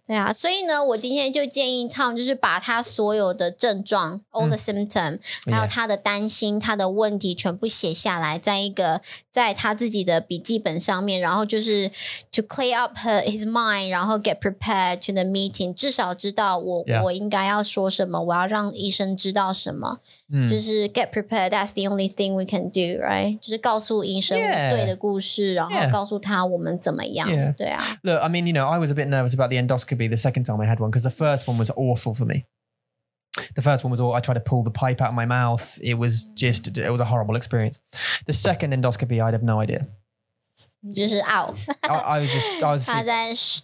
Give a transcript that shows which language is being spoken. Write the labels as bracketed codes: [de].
[zh] 对啊，所以呢，我今天就建议 Tom 就是把他所有的症状 [en] all the symptoms、 [zh] 还有他的担心、他的问题全部写下来，在一个在他自己的笔记本上面，然后就是 [en] to clear up his mind, [zh] 然后 [en] get prepared to the meeting, [zh] 至少知道我应该要说什么，我要让医生知道什么。 Mm. [en] 就是 get prepared, that's the only thing we can do, right? [zh] 就是告诉医生对的故事、然后告诉他我们怎么样、 [en] yeah. [zh] 对啊。 [en] Look, I mean, you know, I was a bit nervous about the endoscopy the second time I had one because the first one was awful for me. The first one was all, I tried to pull the pipe out of my mouth. It was just, it was a horrible experience. The second endoscopy, I'd have no idea. [zh] 就是 out. [en] I was